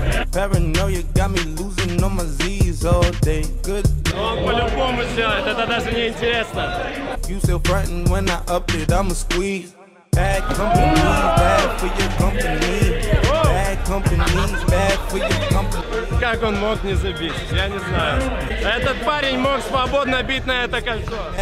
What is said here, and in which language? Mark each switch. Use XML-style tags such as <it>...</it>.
<en>Paranoia got me losing on my Z's all day. Good.</en> <ru>Он по-любому сделает, это даже не интересно.</ru> <en>You still frightened when I up it, I'ma squeeze. Bad company, bad for your company. Bad company, bad for your company.</en> <ru>как он мог не забить, я не знаю. Этот парень мог свободно бить на это кольцо.</ru>